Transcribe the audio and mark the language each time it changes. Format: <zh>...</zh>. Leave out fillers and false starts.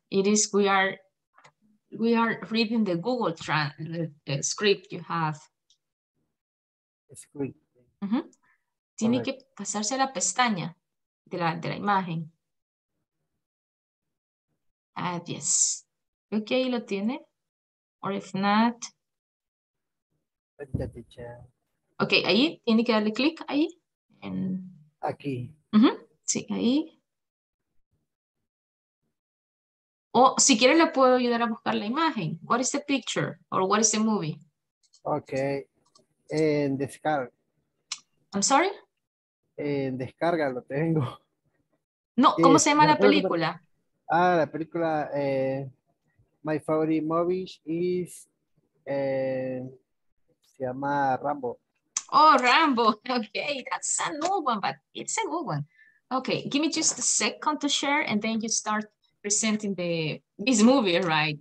<en>It is we are reading the Google script you have. Script.</en> <es>Tiene que pasarse a la pestaña de la imagen.</es> <en>Yes. Okay,</en> <es>lo tiene.</es> <en>Or if not.</en> <es>Okay, ahí tiene que darle clic ahí. Aquí. Sí, ahí. O si quieres le puedo ayudar a buscar la imagen.</es> <en>What is the picture? Or what is the movie?</en> <es>Okay. En descarga.</es> <en>I'm sorry?</en> <es>En descarga lo tengo. No, ¿cómo se llama la película? La película,</es> <en>my favorite movie is,</en> <es>se llama Rambo.</es> <en>Oh, Rambo. Okay, that's a new one, but it's a good one. Okay, give me just a second to share and then you start presenting this movie, right?</en>